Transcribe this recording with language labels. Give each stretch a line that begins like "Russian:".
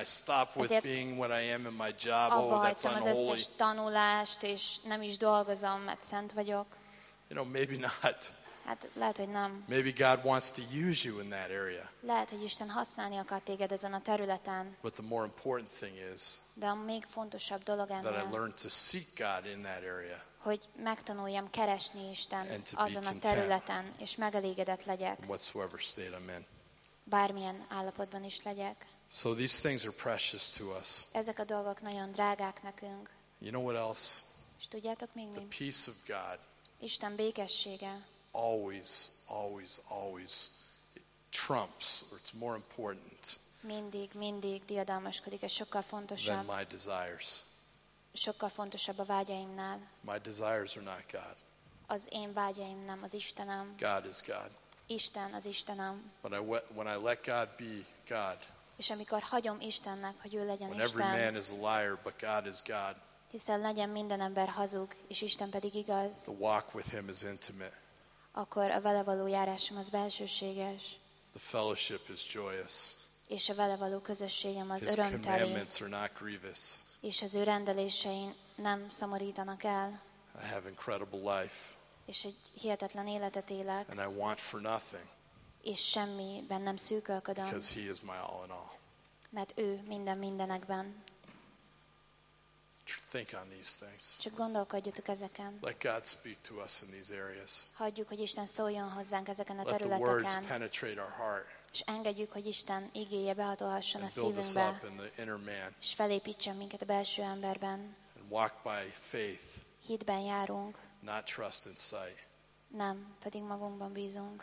English: I stop with being what I am in my job. Oh, that's unholy.
Hungarian: Abba hagytam az összes tanulást, és nem is dolgozom, mert szent vagyok.
English: You know, maybe not.
Hungarian: Hát lehet, hogy nem.
English: Maybe God wants to use you in that area.
Hungarian: Lehet, hogy Isten használni akar téged ezen a területen.
English: But the more important thing is,
Hungarian: de a még fontosabb dolog ennél,
English: that I learn to seek God in that area.
Hungarian: Hogy megtanuljam keresni Isten azon a területen, és megelégedett legyek.
English: Whatsoever state I'm in.
Hungarian: Bármilyen állapotban is legyek.
English: So these things are precious to us.
Hungarian: Ezek a dolgok nagyon drágák nekünk.
English: You know what else?
Hungarian: És tudjátok még mi?
English: The peace of God.
Hungarian: Isten békessége.
English: Always, always, always it trumps, or it's more important
Hungarian: mindig diadalmaskodik, és sokkal fontosabb
English: than my desires.
Hungarian: Sokkal fontosabb a vágyaimnál.
English: My desires are not God.
Hungarian: Az én vágyaim nem az Istenem.
English: God is God.
Hungarian: Isten az Istenem.
English: When I let God be God,
Hungarian: és amikor hagyom Istennek, hogy ő legyen Isten,
English: every man is a liar, but God is God,
Hungarian: hiszen legyen minden ember hazug, és Isten pedig igaz,
English: the walk with him is intimate.
Hungarian: Akkor a vele való járásom az belsőséges.
English: The fellowship is joyous.
Hungarian: És a vele való közösségem az
English: His
Hungarian: örömteli.
English: Commandments are not grievous.
Hungarian: És az ő rendelései nem szomorítanak el.
English: I have incredible life.
Hungarian: És egy hihetetlen életet élek.
English: And I want for nothing.
Hungarian: És semmiben nem szűkölködöm.
English: Because he is my all in all.
Hungarian: Mert ő minden mindenekben.
English: Think on these things.
Hungarian: Csak gondolkodjatok ezeken.
English: Let God speak to us in these areas.
Hungarian: Hagyjuk, hogy Isten szóljon hozzánk ezeken a területeken.
English: Let the words penetrate our heart.
Hungarian: És engedjük, hogy Isten igéje behatolhasson a szívünkbe.
English: Build us up in the inner man.
Hungarian: És felépítsen minket a belső emberben.
English: And walk by faith.
Hungarian: Hitben járunk.
English: Not trust in sight.
Hungarian: Nem, pedig magunkban bízunk.